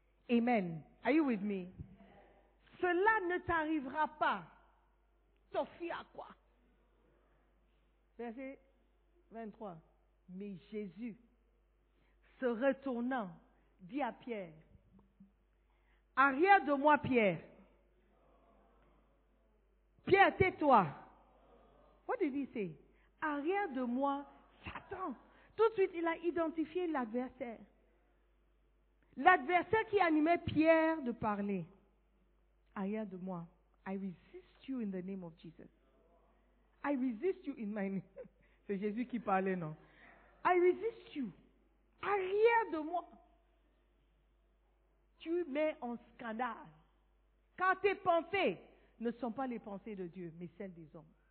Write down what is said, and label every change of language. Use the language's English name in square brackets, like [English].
[French] Amen. [English] Are you with me? [French] Cela ne t'arrivera pas. T'en fies à quoi? Verset 23. Mais Jésus, se retournant, dit à Pierre, « Arrière de moi, Pierre. Pierre, tais-toi. » [English] What did he say? [French] « Arrière de moi, Satan. » Tout de suite, il a identifié l'adversaire. L'adversaire qui animait Pierre de parler. Arrière de moi. [English] I resist you in the name of Jesus. I resist you in my name. [French] C'est Jésus qui parlait, non? [English] I resist you. [French] Arrière de moi. Tu mets en scandale. Car tes pensées ne sont pas les pensées de Dieu, mais celles des hommes.